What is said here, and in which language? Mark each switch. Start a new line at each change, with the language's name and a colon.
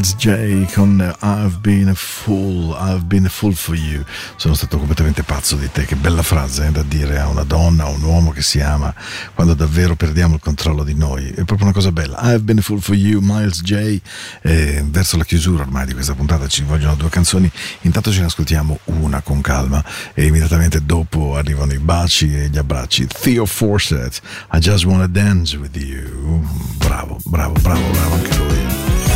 English: That's Jay con I've been a fool, I've been a fool for you.
Italian: Sono stato completamente pazzo di te. Che bella frase da dire a una donna, a un uomo che si ama, quando davvero perdiamo il controllo di noi. È proprio una cosa bella.
English: I've been a fool for you, Miles J.
Italian: Verso la chiusura ormai di questa puntata ci vogliono due canzoni. Intanto ce ne ascoltiamo una con calma e immediatamente dopo arrivano i baci e gli abbracci.
English: Theo Forsett, I just wanna dance with you.
Italian: Bravo, bravo, bravo, bravo anche lui.